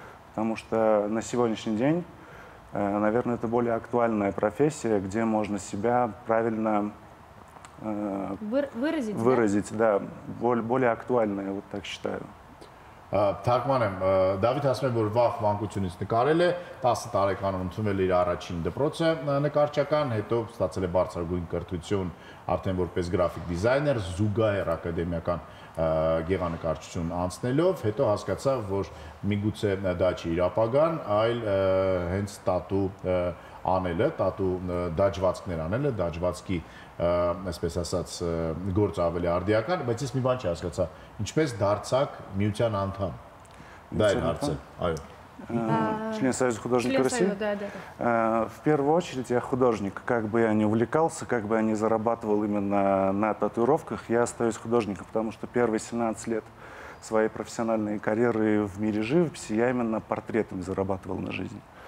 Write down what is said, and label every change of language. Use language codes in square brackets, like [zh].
[ru] Потому что на сегодняшний день, наверное, это более актуальная профессия, где можно себя правильно выразить, да, более актуальная, вот так считаю. [hy] Թարգմանեմ, Դավիթ ասում է, որ վաղ մանկությունից նկարել է, 10 տարեկան ընդունվել իր առաջին դպրոցը նկարչական, հետո ստացել է բարձրագույն կրթություն արդեն որպես գրաֆիկ դիզայներ, Զուգահեռ ակադեմիական գեղանկարչություն անցնելով, հետո հասկացավ, որ միգուցե դա չի իր ապագան, այլ հենց տատու անելը, տատու դաջվածքներ անելը, դաջվածքի այսպես ասած գործ ավելի արդիական, բայց ես մի բան չի հասկացա, ինչպես դարձակ միության անդամ, դա էր հարցը, այո։ [ru] Член Союза художников России? В первую очередь я художник. Как бы я ни увлекался, как бы я ни зарабатывал именно на татуировках, я остаюсь художником, потому что первые 17 лет своей профессиональной карьеры в мире живописи я именно портретами зарабатывал на жизнь.